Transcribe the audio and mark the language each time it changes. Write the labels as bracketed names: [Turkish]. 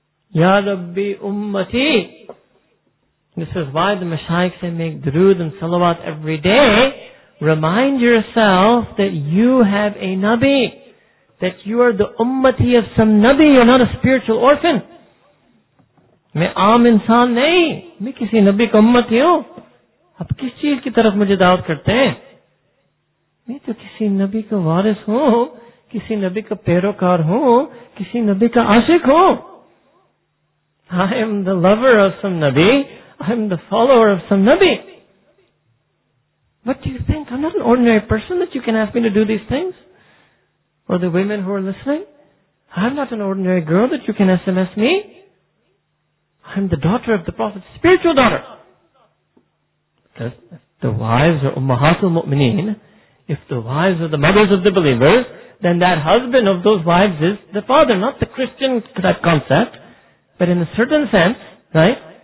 [Arabic] Ya Rabbi ummati. [English] This is why the mashayikhs say make durood and salawat every day. Remind yourself that you have a Nabi. That you are the ummati of some Nabi. You're not a spiritual orphan. [Urdu] میں عام انسان نہیں میں کسی نبی کا امتی ہوں اب کس چیز کی طرف مجھے دعوت کرتے ہیں میں تو کسی نبی کا وارث ہوں کسی نبی کا پیروکار ہوں کسی نبی کا عاشق ہوں [English] I am the lover of some Nabi I am the follower of some Nabi What do you think? I'm not an ordinary person that you can ask me to do these things or the women who are listening I'm not an ordinary girl that you can SMS me I'm the daughter of the Prophet, spiritual daughter. Because the wives are ummahatul mu'mineen, if the wives are the mothers of the believers, then that husband of those wives is the father, not the Christian type concept, but in a certain sense, right?